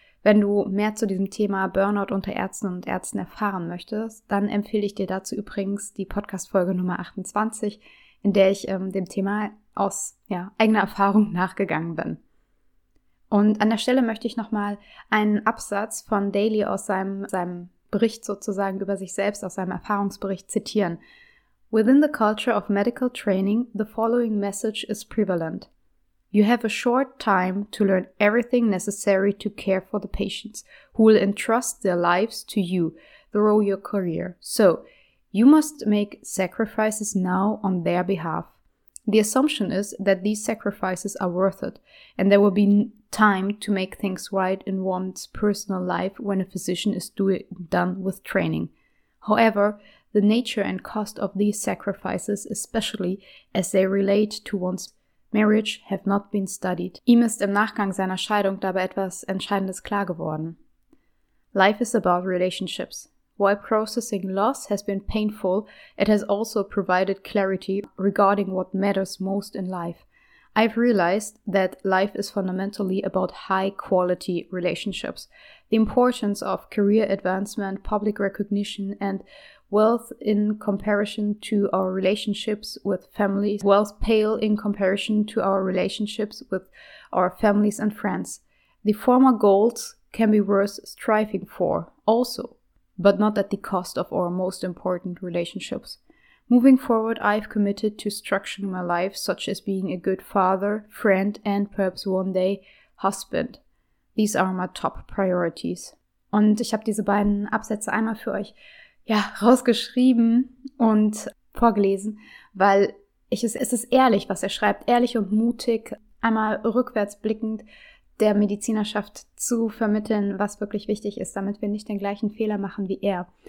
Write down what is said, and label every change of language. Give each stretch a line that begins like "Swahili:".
German: Wenn du mehr zu diesem Thema Burnout unter Ärzten und Ärzten erfahren möchtest, dann empfehle ich dir dazu übrigens die Podcast-Folge Nummer 28, in der ich dem Thema aus eigener Erfahrung nachgegangen bin. Und an der Stelle möchte ich nochmal einen Absatz von Daly aus seinem Bericht sozusagen über sich selbst, aus seinem Erfahrungsbericht zitieren.
English: Within the culture of medical training, the following message is prevalent. You have a short time to learn everything necessary to care for the patients who will entrust their lives to you through your career. So, you must make sacrifices now on their behalf. The assumption is that these sacrifices are worth it, and there will be time to make things right in one's personal life when a physician is done with training. However, the nature and cost of these sacrifices, especially as they relate to one's marriage, have not been studied.
German: Ihm ist im Nachgang seiner Scheidung dabei etwas Entscheidendes klar geworden.
English: Life is about relationships. While processing loss has been painful, it has also provided clarity regarding what matters most in life. I've realized that life is fundamentally about high-quality relationships. The importance of career advancement, public recognition and wealth in comparison to our relationships with families. Wealth pale in comparison to our relationships with our families and friends. The former goals can be worth striving for also, but not at the cost of our most important relationships. Moving forward, I've committed to structuring my life, such as being a good father, friend, and perhaps one day husband. These are my top priorities.
German: Und ich habe diese beiden Absätze einmal für euch rausgeschrieben und vorgelesen, weil es ist ehrlich, was er schreibt. Ehrlich und mutig, einmal rückwärts blickend der Medizinerschaft zu vermitteln, was wirklich wichtig ist, damit wir nicht den gleichen Fehler machen wie er.